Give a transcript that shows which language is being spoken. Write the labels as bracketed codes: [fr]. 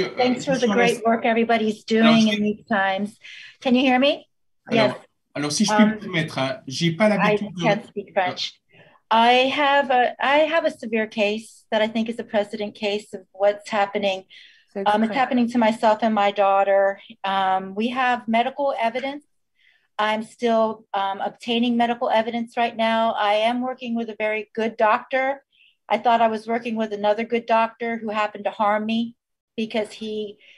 [en] thanks for the great work everybody's doing in these times. Can you hear me? Yes. [fr] Alors, si je peux me permettre, j'ai pas l'habitude. [en] I can't speak French. I have a severe case that I think is a precedent case of what's happening. It's happening to myself and my daughter. We have medical evidence. I'm still obtaining medical evidence right now. I am working with a very good doctor. I thought I was working with another good doctor who happened to harm me because he